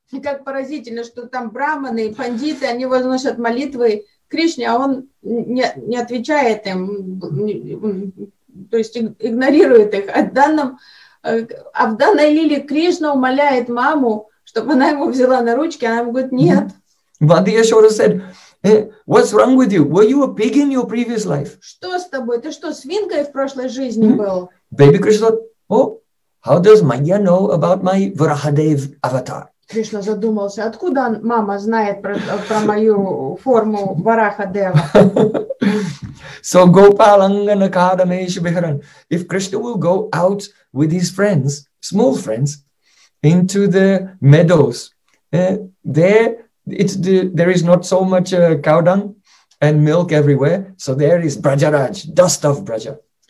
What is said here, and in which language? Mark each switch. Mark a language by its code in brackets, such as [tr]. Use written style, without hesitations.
[ru] И как поразительно, что там браманы, пандиты, они возносят молитвы Кришне, а он не отвечает им, то есть игнорирует их. А в данной лиле Кришна умоляет маму, чтобы она его взяла на ручки, она ему говорит, нет. [en] Мадхи Яшода said, "What's wrong with you? Were you a pig in your previous life?" [ru] Что с тобой? Ты что, свинкой в прошлой жизни был? [en] Baby Krishna, "Oh, how does Maya know about my Varahadev avatar?" [ru] Кришна задумался, откуда мама знает про мою форму Варахадева? [sa] So Gopalangana Kadamesh Biharan. [en] If Krishna will go out with his friends, small friends, into the meadows, there there is not so much cow dung and milk everywhere, so there is Brajaraj, dust of Braja.